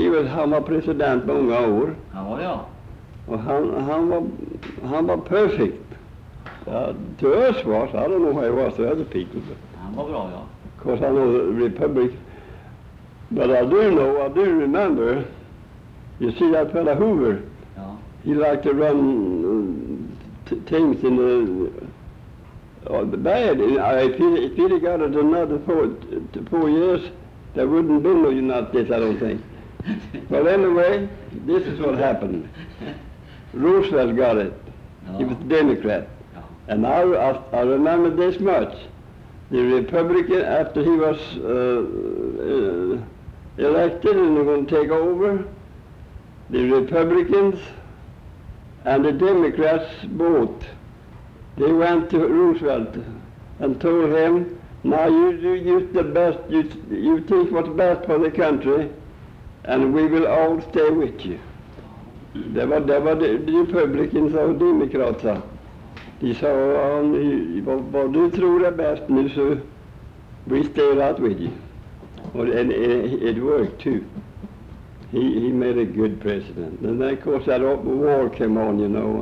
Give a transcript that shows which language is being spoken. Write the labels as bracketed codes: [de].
[sv] Han var president många år. Ja, var det, ja. Och han var perfekt. Ja, till oss var så hade nog varit så här pigg. Han var bra, ja. [en] Cause [sv] han [en] was republic. But I do remember, you see that fella Hoover? [sv] Ja. [en] He liked to run things in the... Oh, the bad. If he'd have got it another four years, there wouldn't be no United States, I don't think. But anyway, this is what happened. Roosevelt got it. [sv] Ja. [en] He was a Democrat. And I remember this much, the Republican, after he was elected and was going to take over, the Republicans and the Democrats both, they went to Roosevelt and told him, now you think what's best for the country, and we will all stay with you. There were the Republicans and the Democrats. [sv] De sa, vad du tror är bäst nu så [en] we stay right with you. And it worked too. He made a good president. And then of course that war came on, you know.